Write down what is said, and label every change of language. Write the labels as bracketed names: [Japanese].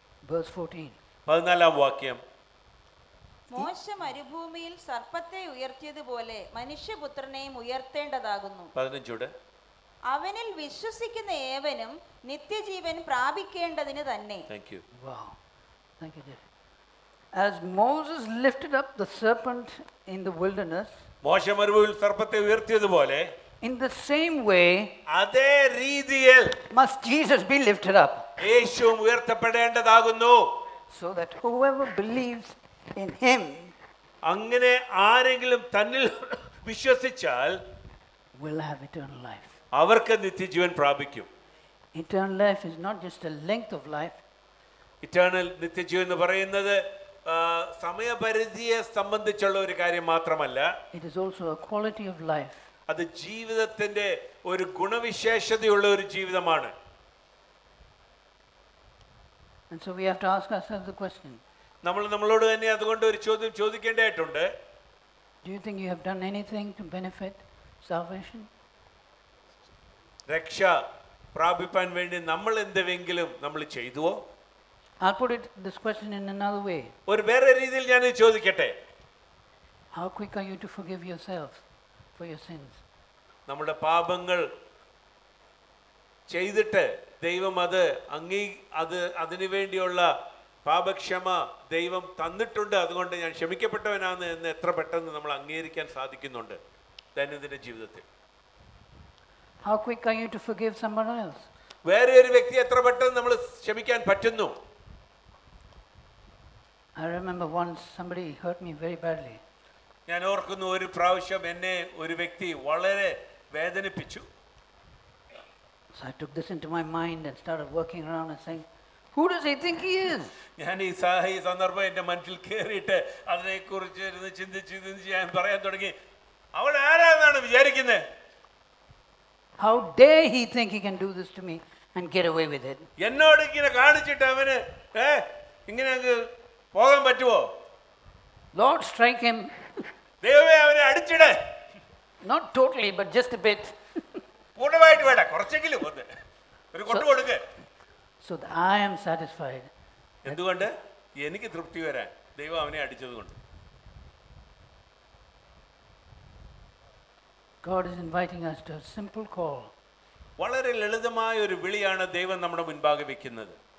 [English] Verse 14. [Malayalam] 14-ാം വാക്യം. മോശ മരുഭൂമിയിൽ സർപ്പത്തെ ഉയർത്തിയതുപോലെ മനുഷ്യപുത്രനെയും ഉയർത്തേണ്ടതാകുന്നു. 15-ാം. അവനിൽ വിശ്വസിക്കുന്ന ഏവനും നിത്യജീവൻ പ്രാപിക്കേണ്ടതിന് തന്നെ. [English] Thank you. Wow. Thank you, Jeff. As Moses lifted up the serpent in the wilderness, [Malayalam] മോശ മരുഭൂമിയിൽ സർപ്പത്തെ ഉയർത്തിയതുപോലെ, [English] in the same way, [Malayalam] അതേ രീതിയിൽ, [English] must Jesus be lifted up. [Malayalam] യേശുവും ഉയർത്തപ്പെടേണ്ടതാകുന്നു. [English] So that whoever believes in him, [Malayalam] അങ്ങനെ ആരെങ്കിലും തന്നിൽ വിശ്വസിച്ചാൽ, [English] will have eternal life. [Malayalam] അവർക്ക് നിത്യജീവൻ പ്രാപിക്കും. [English] Eternal life is not just a length of life. [Malayalam] Eternal നിത്യജീവൻ എന്ന് പറയുന്നത് സമയപരിധിയെ സംബന്ധിച്ചുള്ള ഒരു കാര്യം മാത്രമല്ല. [English] It is also a quality of life. [Malayalam] അത് ജീവിതത്തിന്റെ ഒരു ഗുണവിശേഷതയുള്ള ഒരു ജീവിതമാണ്. [English] And so we have to ask ourselves the question. [Malayalam] നമ്മൾ നമ്മളോട് തന്നെ അതുകൊണ്ട് ഒരു ചോദ്യം ചോദിക്കേണ്ടതായിട്ടുണ്ട്. [English] Do you think you have done anything to benefit salvation? [Malayalam] രക്ഷ പ്രാപിപ്പാൻ വേണ്ടി നമ്മൾ എന്തെങ്കിലും നമ്മൾ ചെയ്തുവോ? [English] I'll put it this question in another way. [Malayalam] ഒരു വേറെ രീതിയിൽ ഞാൻ ചോദിക്കട്ടെ. [English] How quick are you to forgive yourself for your sins? [Malayalam] നമ്മുടെ പാപങ്ങൾ ചെയ്തിട്ട് ദൈവം അത് അതിനു വേണ്ടിയുള്ള പാപക്ഷമ ദൈവം തന്നിട്ടുണ്ട്, അതുകൊണ്ട് ഞാൻ ക്ഷമിക്കപ്പെട്ടവനാണ് എന്ന് എത്ര പെട്ടെന്ന് നമ്മൾ അംഗീകരിക്കാൻ സാധിക്കുന്നുണ്ട് ദൈനംദിന ജീവിതത്തിൽ. [English] How quick are you to forgive someone else? [Malayalam] വേറെ ഒരു വ്യക്തിയെ എത്ര പെട്ടെന്ന് നമ്മൾ ക്ഷമിക്കാൻ പറ്റുന്നു? [English] I remember once somebody hurt me very badly. [Malayalam] ഞാൻ ഓർക്കുന്നു ഒരു പ്രാവശ്യം എന്നെ ഒരു വ്യക്തി വളരെ വേദനിപ്പിച്ചു. [English] So I took this into my mind and started working around and saying, who does he think he is? [Malayalam] ഞാൻ ഈ സാഹി സന്ദർഭം എന്റെ മനസ്സിൽ കേറിയിട്ട് അതിനെക്കുറിച്ച് ഇരുന്ന് ചിന്തിച്ച് ഞാൻ പറയാൻ തുടങ്ങി, അവൾ ആരാന്നാണ് വിചാരിക്കുന്നത്? [English] How dare he think he can do this to me and get away with it? [Malayalam] എന്നോട് ഇങ്ങനെ കാണിച്ചിട്ട് അവനെ ഇങ്ങനെ പോകാൻ പറ്റുമോ? [English] Lord, strike him. [Malayalam] ദൈവമേ അവനെ അടിച്ചിടേ. [English] Not totally, but just a bit. [Malayalam] പൂർണ്ണമായിട്ട് വേണ്ട, കുറച്ചെങ്കിലും ഒന്ന് ഒരു കൊട്ടു കൊടുക്ക്. [English] So that I am satisfied. [Malayalam] എന്തുകൊണ്ട്? എനിക്ക് തൃപ്തി വരാൻ ദൈവം അവനെ അടിച്ചതുകൊണ്ട്. [English] God is inviting us to a simple call. [Malayalam] വളരെ ലളിതമായ ഒരു വിളിയാണ് ദൈവം നമ്മുടെ മുൻപാകെ വെക്കുന്നത്.